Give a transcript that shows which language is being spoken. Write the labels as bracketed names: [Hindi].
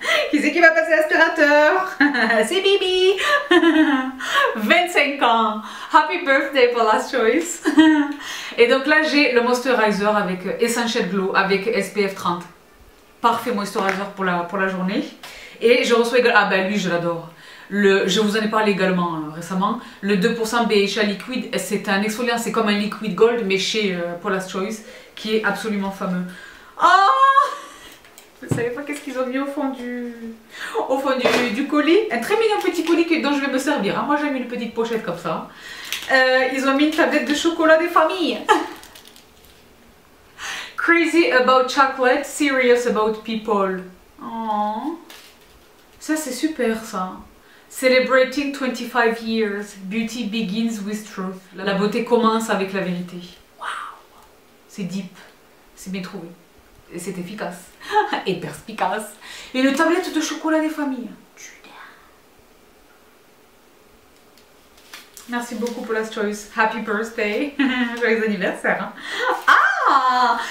[French] Qui c'est qui va passer l'aspirateur? C'est Bibi. 25 ans. [English] Happy birthday for last choice. [French] Et donc là, j'ai le moisturizer avec Essential Glow avec SPF 30. Parfait moisturizer pour la journée. Et je reçois également... Ah ben lui, je l'adore. Je vous en ai parlé également récemment. Le 2% BHA Liquid, c'est un exfoliant. C'est comme un Liquid Gold, mais chez Paula's Choice, qui est absolument fameux. Oh! Vous savez pas qu'est-ce qu'ils ont mis au fond du colis? Un très mignon petit colis dont je vais me servir. Hein. Moi, j'ai mis une petite pochette comme ça. Ils ont mis une tablette de chocolat des familles. [English] Crazy about chocolate, serious about people. Oh! Ça, c'est super, ça. Celebrating 25 years, beauty begins with truth. [French] La beauté commence avec la vérité. Waouh! C'est deep. C'est bien trouvé. Et c'est efficace. Et perspicace. Et une tablette de chocolat des familles. Merci beaucoup pour la choice. [English] Happy birthday. [French] Joyeux anniversaire. Ah!